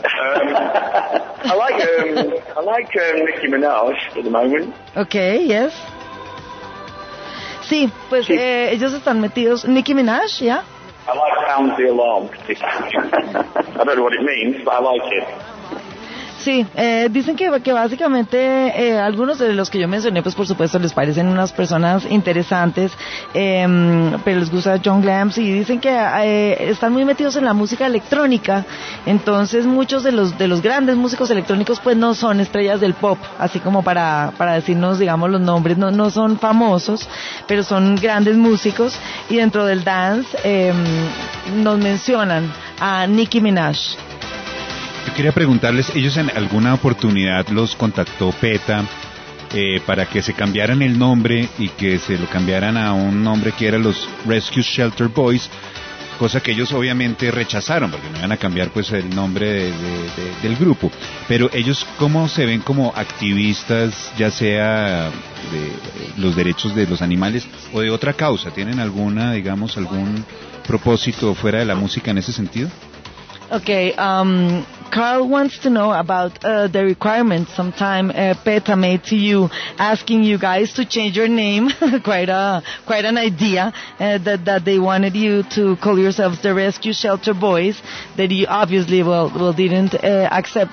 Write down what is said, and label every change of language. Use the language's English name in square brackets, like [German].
[English] I like Nicki Minaj at the moment. Okay, yes. [Spanish] Sí, pues sí. Ellos están metidos. Nicki Minaj, ¿ya? [English] Yeah. I like Sound the Alarm particularly. I don't know what it means, but I like it. [Spanish] Sí, dicen que básicamente algunos de los que yo mencioné, pues por supuesto les parecen unas personas interesantes, pero les gusta John Glams y dicen que están muy metidos en la música electrónica, entonces muchos de los grandes músicos electrónicos pues no son estrellas del pop, así como para decirnos, digamos, los nombres, no son famosos, pero son grandes músicos y dentro del dance nos mencionan a Nicki Minaj. Yo quería preguntarles, ¿ellos en alguna oportunidad los contactó PETA para que se cambiaran el nombre y que se lo cambiaran a un nombre que era los Rescue Shelter Boys? Cosa que ellos obviamente rechazaron, porque no iban a cambiar pues el nombre del grupo. Pero ellos, ¿cómo se ven como activistas, ya sea de los derechos de los animales o de otra causa? ¿Tienen alguna, digamos, algún propósito fuera de la música en ese sentido? [English] Okay, Carl wants to know about the requirement sometime PETA made to you, asking you guys to change your name. quite an idea that they wanted you to call yourselves the Rescue Shelter Boys, that you obviously well didn't accept.